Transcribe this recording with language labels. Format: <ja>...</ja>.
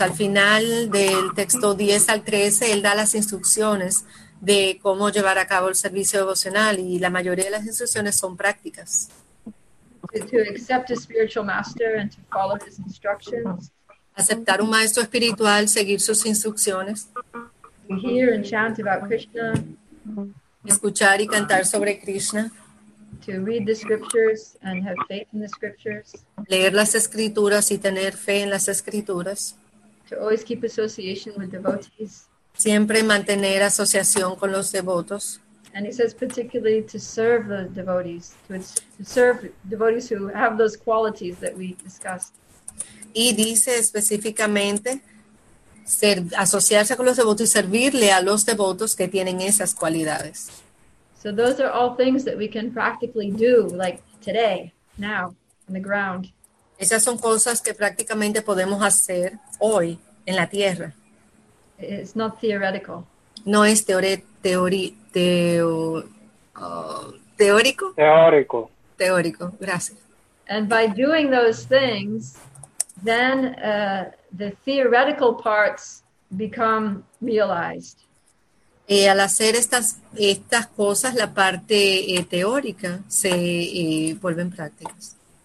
<es>Al final del texto 10 al 13, él da las instrucciones de cómo llevar a cabo el servicio devocional y la mayoría de las instrucciones son prácticas.</es> <en>To accept a spiritual master and to follow his instructions.</en> <es>Aceptar un maestro espiritual, seguir sus instrucciones.</es> <en>To hear and chant about Krishna.</en> <es>Escuchar y cantar sobre Krishna.</es> <en>To read the scriptures and have faith in the scriptures.</en> <es>Leer las escrituras y tener fe en las escrituras.</es> <en>To always keep association with devotees.</en> <es>Siempre mantener asociación con los devotos.</es> <en>And he says particularly to serve the devotees, to serve devotees who have those qualities that we discussed.</en> <es>Y dice específicamente asociarse con los devotos y servirle a los devotos que tienen esas cualidades.</es> <en>So those are all things that we can practically do, like today, now, on the ground.</en> <es>Esas son cosas que prácticamente podemos hacer hoy en la tierra.</es> <en>It's not theoretical.</en> <es>No es teórico. Teórico. Teórico, gracias.</es> <en>And by doing those things, then the theoretical parts become realized.</en> <es>Al hacer estas cosas, la parte teórica se vuelve en prácticas.</es>